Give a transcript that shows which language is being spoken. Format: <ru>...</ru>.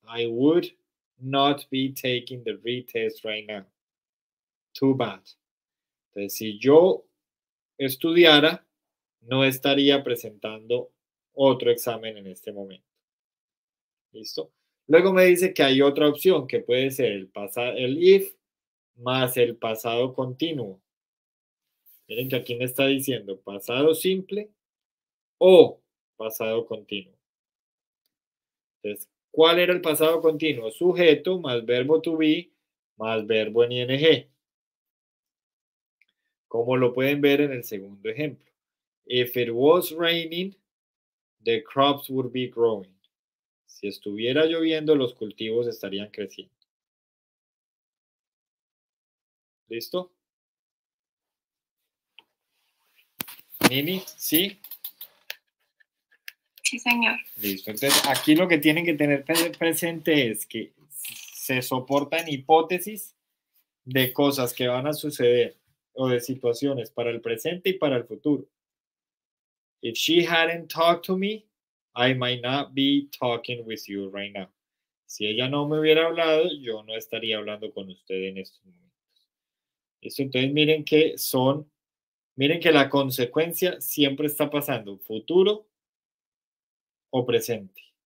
<en>I would not be taking the retest right now. Too bad.</en> <es>Entonces, si yo estudiara, no estaría presentando otro examen en este momento. ¿Listo? Luego me dice que hay otra opción, que puede ser el if más el pasado continuo. Miren que aquí me está diciendo pasado simple o pasado continuo. Entonces, ¿cuál era el pasado continuo? Sujeto más verbo to be más verbo en ing. Como lo pueden ver en el segundo ejemplo.</es> <en>If it was raining, the crops would be growing.</en> <es>Si estuviera lloviendo, los cultivos estarían creciendo. ¿Listo? ¿Nini? ¿Sí? Sí, señor. Listo. Entonces, aquí lo que tienen que tener presente es que se soportan hipótesis de cosas que van a suceder o de situaciones para el presente y para el futuro.</es> <en>If she hadn't talked to me, I might not be talking with you right now.</en> <es>Si ella no me hubiera hablado, yo no estaría hablando con usted en estos momentos. Listo, entonces miren que la consecuencia siempre está pasando, futuro o presente.</es>